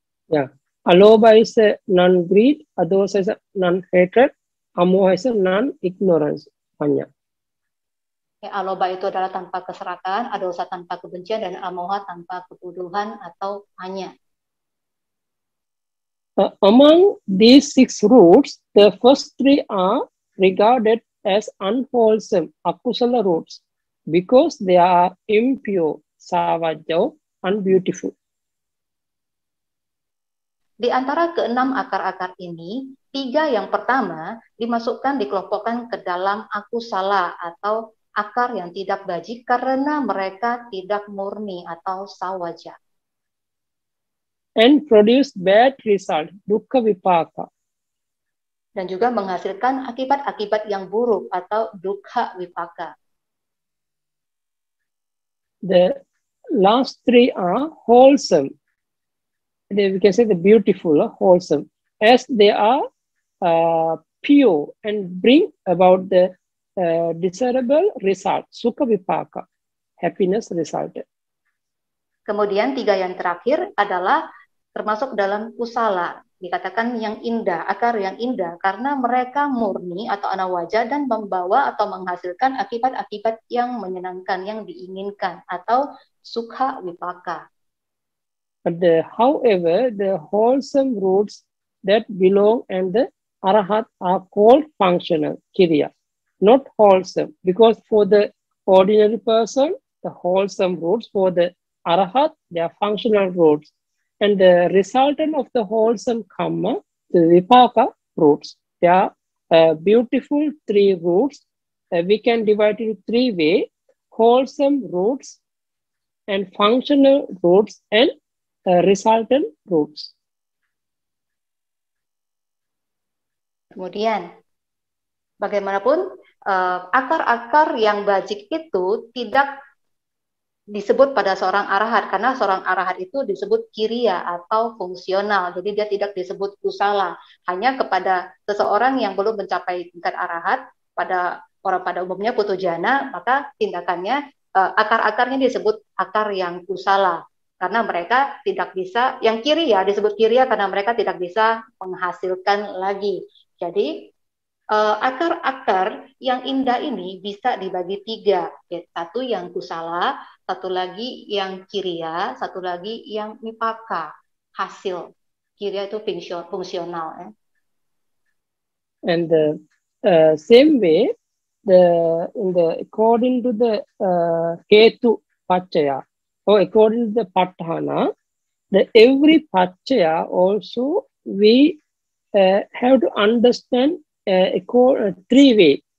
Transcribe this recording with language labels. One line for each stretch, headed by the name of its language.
English: Ya, yeah. Aloba is a non-greed, adosa is a non-hatred, amoha is a non-ignorance. Banyak.
Indonesian: Aloba itu adalah tanpa keserakahan, adosa tanpa kebencian, dan amoha tanpa kebodohan atau hanya.
English: Among these six roots, the first three are regarded as unwholesome, akusala roots, because they are impure, savajo, unbeautiful.
Indonesian: Di antara keenam akar-akar ini, tiga yang pertama dimasukkan, dikelompokkan ke dalam akusala atau akar yang tidak baji karena mereka tidak murni atau sawaja.
English: And produce bad result, dukkha vipaka.
Indonesian: Dan juga menghasilkan akibat-akibat yang buruk atau dukkha vipaka.
English: The last three are wholesome. They, we can say the beautiful, wholesome. As they are pure and bring about the desirable result, sukha vipaka, happiness result.
Indonesian: Kemudian tiga yang terakhir adalah termasuk dalam kusala, dikatakan yang indah, akar yang indah, karena mereka murni atau anawaja dan membawa atau menghasilkan akibat-akibat yang menyenangkan, yang diinginkan, atau sukha vipaka.
English: However, the wholesome roots that belong and the arahat are called functional kriya. Not wholesome, because for the ordinary person, the wholesome roots, for the arahat, they are functional roots. And the resultant of the wholesome karma, the vipaka roots, they are beautiful three roots. We can divide it three ways, wholesome roots and functional roots and resultant roots.
Indonesian: Kemudian, bagaimanapun, akar-akar yang bajik itu tidak disebut pada seorang arahat, karena seorang arahat itu disebut kriya atau fungsional, jadi dia tidak disebut kusala. Hanya kepada seseorang yang belum mencapai tingkat arahat, pada orang pada umumnya putu jana, maka tindakannya, akar-akarnya disebut akar yang kusala, karena mereka tidak bisa, yang kriya disebut kriya karena mereka tidak bisa menghasilkan lagi. Jadi akar-akar yang indah ini bisa dibagi tiga, satu yang kusala, satu lagi yang kriya, satu lagi yang vipaka, hasil. Kriya itu fungsional.
English: And the same way, the in the according to the ketu paccaya, or according to the patthana, the every paccaya also we have to understand three way.